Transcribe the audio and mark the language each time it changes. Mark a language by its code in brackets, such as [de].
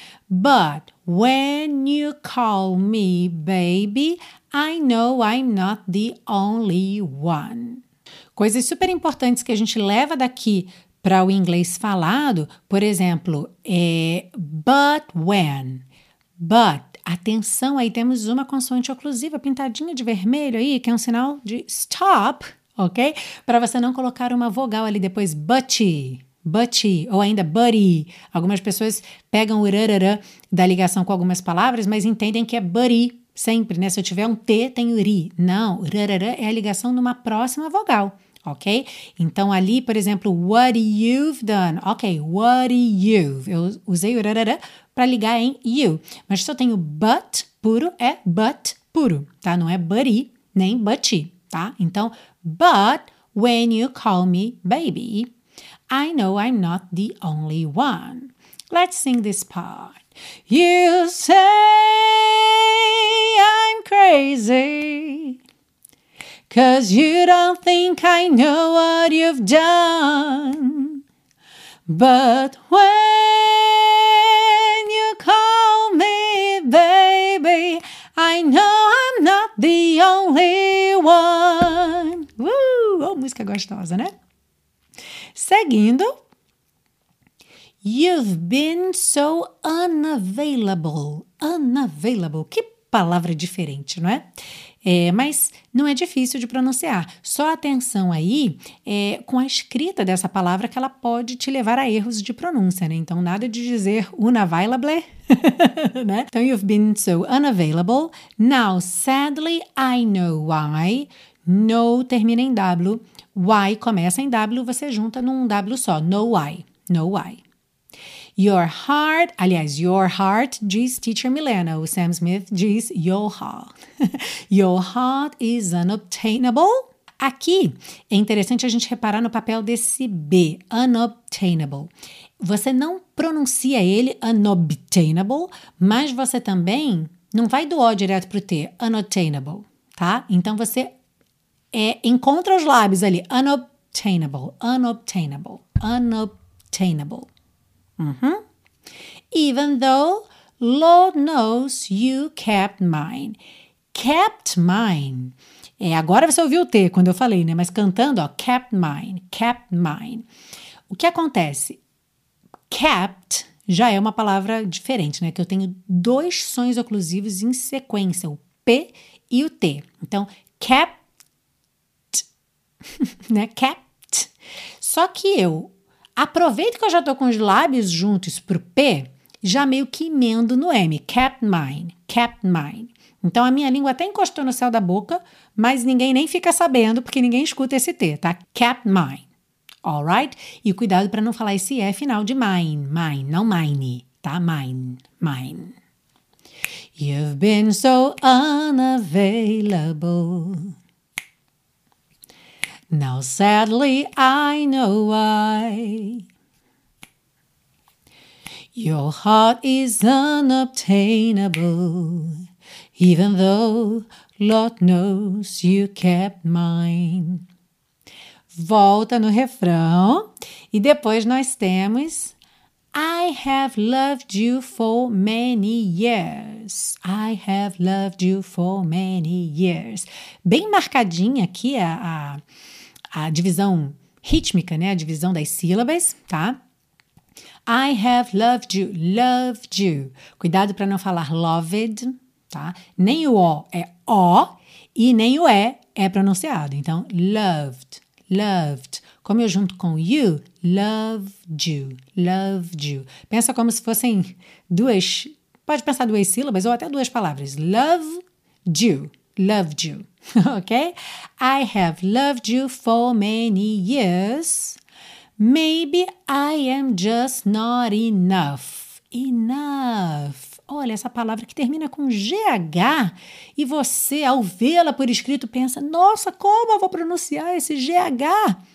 [en] But when you call me baby, I know I'm not the only one. [pt] Coisas super importantes que a gente leva daqui para o inglês falado, por exemplo, but when, but, atenção aí, temos uma consoante oclusiva pintadinha de vermelho aí, que é um sinal de stop, ok? Para você não colocar uma vogal ali depois, butty, ou ainda buddy. Algumas pessoas pegam o rarara da ligação com algumas palavras, mas entendem que é buddy sempre, né? Se eu tiver um T, tem ri. Não, rarara é a ligação numa próxima vogal. Ok? Então, ali, por exemplo, [en] what you've done. [pt] Ok, what you've. Eu usei o rarara para ligar em you. Mas se eu tenho but puro, é but puro, tá? Não é buddy, nem butty, tá? Então, but [en] When you call me baby, I know I'm not the only one. Let's sing this part. You say I'm crazy, 'cause you don't think I know what you've done. But when you call me baby, I know I'm not the only one. [pt] Oh, música gostosa, né? Seguindo. [en] You've been so unavailable. Unavailable. [pt] Que palavra diferente, não é? Mas não é difícil de pronunciar. Só atenção aí com a escrita dessa palavra, que ela pode te levar a erros de pronúncia, né? Então, nada de dizer unavailable, né? Então, you've been so unavailable. [en] Now, sadly, I know why. [pt] No termina em W. Why começa em W, você junta num W só. [en] No why. No why. Your heart, aliás, your heart, diz teacher Milena. O Sam Smith diz your heart. Your heart is unobtainable. [pt] Aqui, é interessante a gente reparar no papel desse B, unobtainable. Você não pronuncia ele unobtainable, mas você também não vai do O direto para o T, unobtainable, tá? Então, você encontra os lábios ali, unobtainable, unobtainable, unobtainable. Uhum. [en] Even though, Lord knows, you kept mine. Kept mine. [pt] Agora você ouviu o T quando eu falei, né? [en] Mas cantando, ó, kept mine, kept mine. [pt] O que acontece? Kept já é uma palavra diferente, né? Que eu tenho dois sons oclusivos em sequência, o P e o T. Então, kept, né? Kept. Só que eu aproveito que eu já tô com os lábios juntos pro P, já meio que emendo no M. Kept mine, kept mine. Então, a minha língua até encostou no céu da boca, mas ninguém nem fica sabendo, porque ninguém escuta esse T, tá? [en] Kept mine, alright? [pt] E cuidado para não falar esse E final de mine, mine, não mine, tá? [en] Mine, mine. You've been so unavailable. Now, sadly, I know why. Your heart is unobtainable, even though Lord knows you kept mine. [pt] Volta no refrão. E depois nós temos: [en] I have loved you for many years. I have loved you for many years. [pt] Bem marcadinha aqui a divisão rítmica, né? A divisão das sílabas, tá? [en] I have loved you, loved you. [pt] Cuidado para não falar loved, tá? Nem o O é O e nem o E é pronunciado. Então, loved, loved. [en] Como eu junto com you, loved you, loved you. [pt] Pensa como se fossem duas, pode pensar duas sílabas ou até duas palavras. [en] Loved you, loved you. Ok? I have loved you for many years. Maybe I am just not enough. Enough. [pt] Olha, essa palavra que termina com GH e você, ao vê-la por escrito, pensa, nossa, como eu vou pronunciar esse GH?